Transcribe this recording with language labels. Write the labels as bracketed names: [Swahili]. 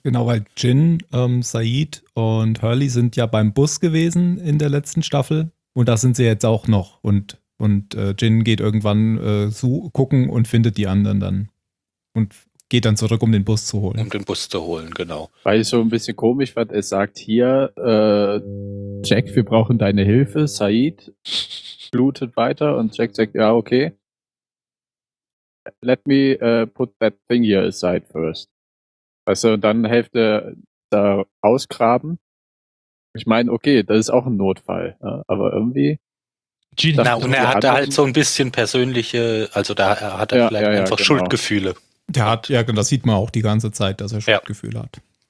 [German] Genau, weil Jin, Said und Hurley sind ja beim Bus gewesen in der letzten Staffel und da sind sie jetzt auch noch und Jin geht irgendwann gucken und findet die anderen dann und geht dann zurück, um den Bus zu holen. Um den Bus zu holen, genau. Weil ich so ein bisschen komisch fand, er sagt hier, Jack, wir brauchen deine Hilfe, Said blutet weiter und Jack sagt, ja, okay. [English] Let me put that thing here aside first. [German] Weißt du, und dann helft er da ausgraben. Ich meine, okay, das ist auch ein Notfall, ja, aber irgendwie. Na, und er hatte halt so ein bisschen persönliche, also da hat er ja, vielleicht ja, einfach genau. Schuldgefühle. Der hat, ja, das sieht man auch die ganze Zeit, dass er Schuldgefühle hat.